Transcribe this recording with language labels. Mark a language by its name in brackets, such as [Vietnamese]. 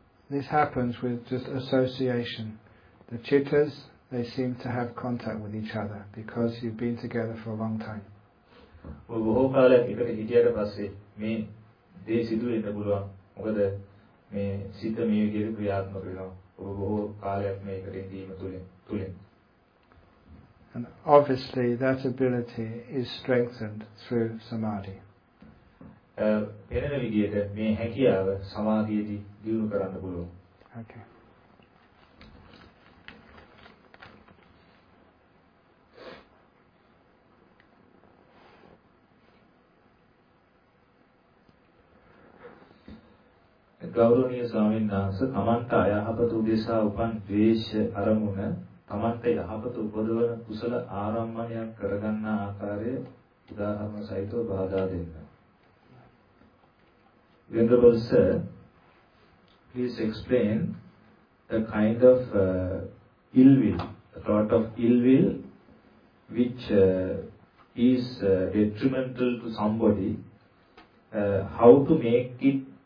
[English] This happens with just association. The chittas, they seem to have contact with each other because you've been together for a long time. [Sinhala] බොහෝ කාලයක් එකට හිටියට පස්සේ මේ දේ සිදු වෙන්න පුළුවන්. මොකද මේ සිත මේ විදිහට ක්‍රියාත්මක වෙනවා. ඔබ බොහෝ කාලයක් මේකට ඉඳීම තුලින්. [English] And obviously that ability is strengthened through samadhi. [Sinhala] වෙනම විදිහට මේ හැකියාව සමාධියදී දියුණු කරන්න පුළුවන්. [English] Okay. [Sinhala] ගෞරවනීය ස්වාමීන් වහන්සේ තමන්ට අයහපත උදෙසා උපන් ද්වේෂ අරමුණ තමන්ට යහපත උපදවන කුසල ආරම්මණයක් කරගන්න ආකාරය උදාහරණ සහිතව බාධා දෙන්න. [English] Venerable sir, please explain the kind of ill will, the thought of ill will which is detrimental to somebody, how to make it